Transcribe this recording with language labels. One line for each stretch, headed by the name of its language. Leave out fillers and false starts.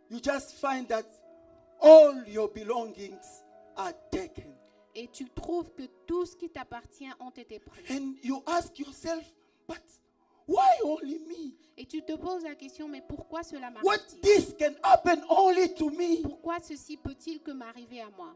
English: you just find that all your belongings are taken.
French: Et tu trouves que tout ce qui t'appartient ont été pris.
English: And you ask yourself, but why only me?
French: Et tu te poses la question, mais pourquoi cela m'arrive?
English: What this can happen only to me?
French: Pourquoi ceci peut-il que m'arriver à moi?